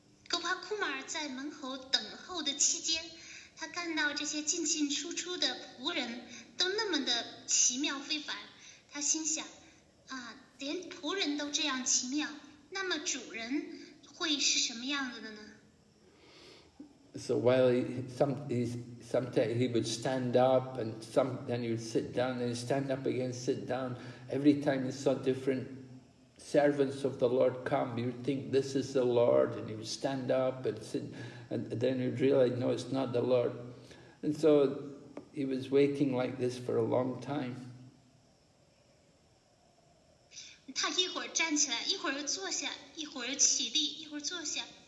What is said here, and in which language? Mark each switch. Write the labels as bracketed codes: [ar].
[zh] Gop Kumar 在门口等候的期间，他看到这些进进出出的仆人都那么的奇妙非凡，他心想：啊，连仆人都这样奇妙，那么主人会是什么样子的呢？ [en] So while sometimes he would stand up and then he would sit down and stand up again, sit down. Every time he saw different servants of the Lord come, he would think this is the Lord, and he would stand up and sit, and then he would realize, no, it's not the Lord. And so he was waiting like this for a long time. [zh] 他一会儿站起来，一会儿又坐下，一会儿又起立，一会儿坐下。